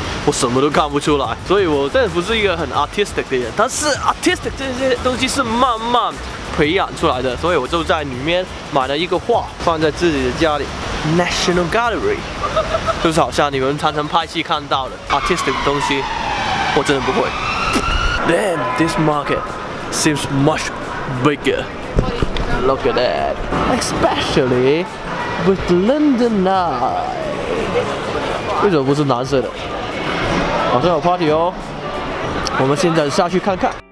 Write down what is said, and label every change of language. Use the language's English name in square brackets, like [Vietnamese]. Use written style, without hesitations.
[Chinese] 我什么都看不出来，所以我真的不是一个很 artistic 的人，但是 artistic 这些东西是慢慢培养出来的，所以我就在里面买了一个画放在自己的家里 National Gallery， 就是好像你们常常拍戏看到的 artistic 的东西我真的不会。 [English] Damn, this market seems much bigger. Look at that. Especially with London Eye. [Chinese] 为什么不是蓝色的？好像有 party 哦，我们现在下去看看。